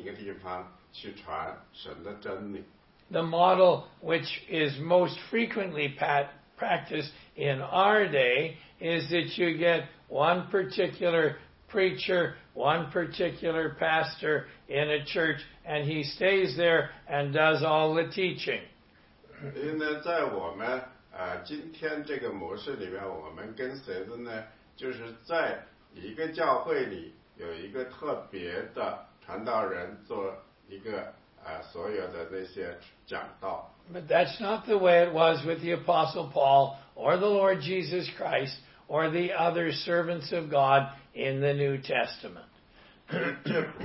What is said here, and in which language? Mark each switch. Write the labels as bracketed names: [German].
[Chinese] 在旧约里也是一样，像撒母耳，他们也是从一个地方到另一个地方去传神的真理。 [English] The model which is most frequently practiced in our day is that you get one particular preacher, one particular pastor in a church, and he stays there and does all the teaching. [Chinese] 因为在我们, 今天这个模式里面, 我们跟随的呢, 就是在一个教会里有一个特别的传道人做一个, 所有的那些讲道。 [English] But that's not the way it was with the Apostle Paul or the Lord Jesus Christ or the other servants of God in the New Testament.